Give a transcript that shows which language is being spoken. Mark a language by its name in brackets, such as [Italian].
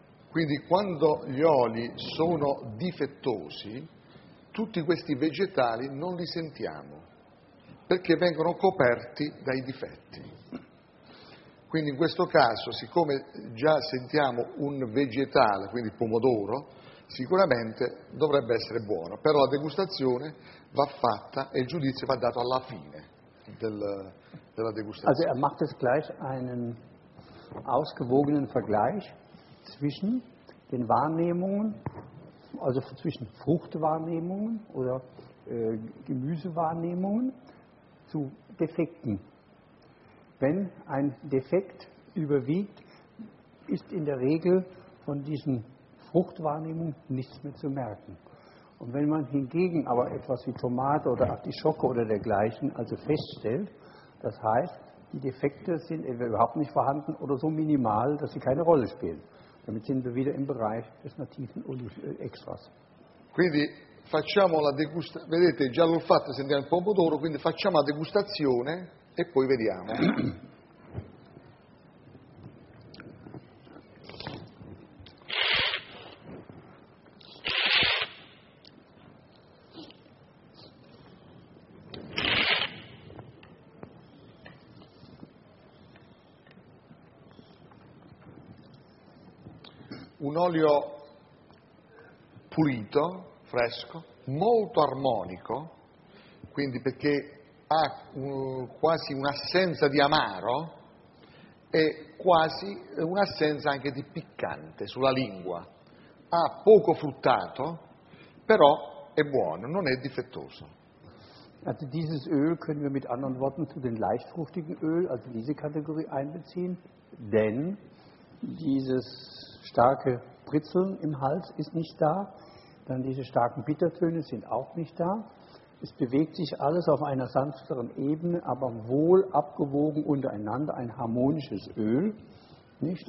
[Italian] Quindi quando gli oli sono difettosi, tutti questi vegetali non li sentiamo, perché vengono coperti dai difetti. Quindi in questo caso, siccome già sentiamo un vegetale, quindi pomodoro, sicuramente dovrebbe essere buono, però la degustazione va fatta e il giudizio va dato alla fine della degustazione. [German] Also macht es gleich einen ausgewogenen Vergleich zwischen den Wahrnehmungen, also zwischen Fruchtwahrnehmungen oder Gemüsewahrnehmungen zu Defekten. Wenn ein Defekt überwiegt, ist in der Regel von diesen Fruchtwahrnehmung nichts mehr zu merken. Und wenn man hingegen aber etwas wie Tomate oder Artischocke oder dergleichen also feststellt, das heißt, die Defekte sind entweder überhaupt nicht vorhanden oder so minimal, dass sie keine Rolle spielen. Damit sind wir wieder im Bereich des nativen Olivenextras. [Italian] Quindi facciamo la degustazione, vedete, già l'ho fatto, sentiamo il pomodoro, quindi facciamo la degustazione e poi vediamo. Un olio pulito, fresco, molto armonico, quindi perché ha quasi un'assenza di amaro e quasi un'assenza anche di piccante sulla lingua. Ha poco fruttato, però è buono, non è difettoso. [German] Also dieses Öl können wir mit anderen Worten zu den leichtfruchtigen Öl, also diese Kategorie einbeziehen, denn dieses starke Pritzeln im Hals ist nicht da, dann diese starken Bittertöne sind auch nicht da. Es bewegt sich alles auf einer sanfteren Ebene, aber wohl abgewogen untereinander, ein harmonisches Öl, nicht?